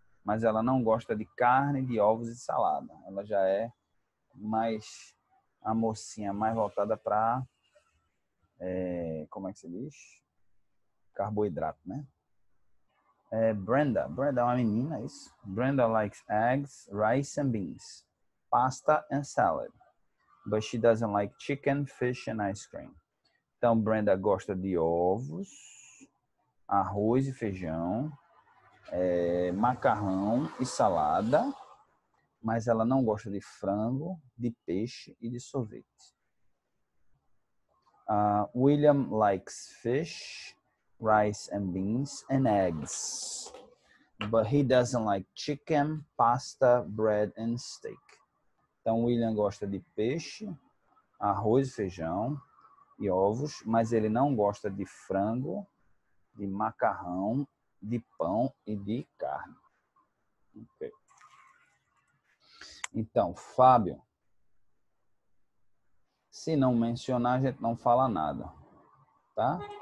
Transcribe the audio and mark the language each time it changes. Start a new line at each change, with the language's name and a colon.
Portuguese: Mas ela não gosta de carne, de ovos e salada. Ela já é mais a mocinha, mais voltada para como é que se diz? Carboidrato, né? Brenda é uma menina, é isso?
English: Brenda likes eggs, rice and beans, pasta and salad, but she doesn't like chicken, fish and ice cream.
Portuguese: Então, Brenda gosta de ovos, arroz e feijão, macarrão e salada, mas ela não gosta de frango, de peixe e de sorvete.
English: William likes fish, rice and beans and eggs. But he doesn't like chicken, pasta, bread and steak.
Portuguese: Então, William gosta de peixe, arroz e feijão e ovos, mas ele não gosta de frango, de macarrão, de pão e de carne. Okay. Então, Fábio, se não mencionar, a gente não fala nada, tá?